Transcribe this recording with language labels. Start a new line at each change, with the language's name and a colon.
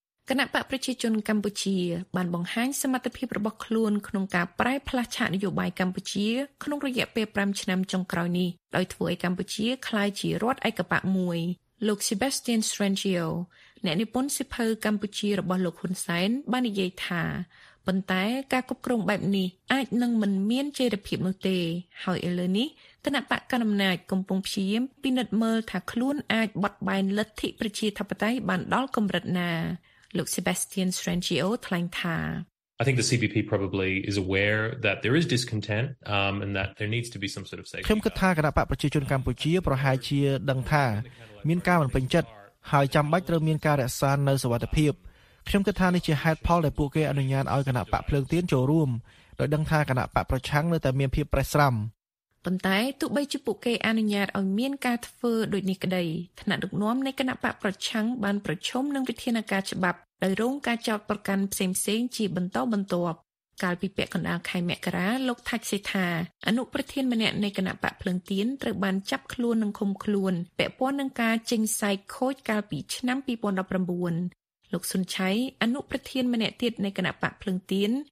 Khmer: គណៈបកប្រជាជនកម្ពុជាបានបង្ហាញសមត្ថភាពរបស់ខ្លួនក្នុងការប្រែផ្លាស់ឆាកនយោបាយកម្ពុជាក្នុងរយៈពេល5ឆ្នាំចុងក្រោយនេះដោយធ្វើឲ្យកម្ពុជាក្លាយជារដ្ឋឯកបកមួយលោក Sebastian Strangio អ្នកនិពន្ធសិភៅកម្ពុជារបស់លោកហ៊ុនសែនបាននិយាយថា ប៉ុន្តែការគ្រប់គ្រងបែបនេះអាចនឹងមិនមានចេរភាពនោះទេហើយឥឡូវនេះគណៈបកកណ្ដាលអំណាចកំពុងព្យាយាមពិនិត្យមើលថាខ្លួនអាចបត់បែនលទ្ធិប្រជាធិបតេយ្យបានដល់កម្រិតណាលោក Sebastian Strangio ថ្លែងថា
English: I think the CPP probably is aware that there is discontent and that there needs to be some sort of safety
Khmer: ខ្ញុំគិតថាគណៈបកប្រជាជនកម្ពុជាប្រហែលជាដឹងថាមានការមិនពេញចិត្តហើយចាំបាច់ត្រូវមានការរក្សានៅសុវត្ថិភាពខ្ញុំគិតថានេះជាហេតុផលដែលពួកគេអនុញ្ញាតឲ្យគណៈបកភ្លើងទៀនចូលរួមដោយដឹងថាគណៈបកប្រឆាំងនៅតែមានភាពប្រេះស្រាំ ប៉ុន្តែទោះបីជាពួកគេអនុញ្ញាតឲ្យមានការធ្វើដូចនេះក្តីថ្នាក់ដឹកនាំនៃគណៈបកប្រឆាំងបានប្រឈមនឹងវិធានការច្បាប់ដោយរងការចោទប្រកាន់ផ្សេងៗជាបន្តបន្ទាប់កាលពីពាក់កណ្ដាលខែមករាលោកថាក់សេថាអនុប្រធានម្នាក់នៃគណៈបកភ្លើងទៀនត្រូវបានចាប់ខ្លួននិងឃុំខ្លួនពាក់ព័ន្ធនឹងការចិញ្ចៃខូចកាលពីឆ្នាំ2019លោកសុនឆៃអនុប្រធានម្នាក់ទៀតនៃគណៈបកភ្លើងទៀន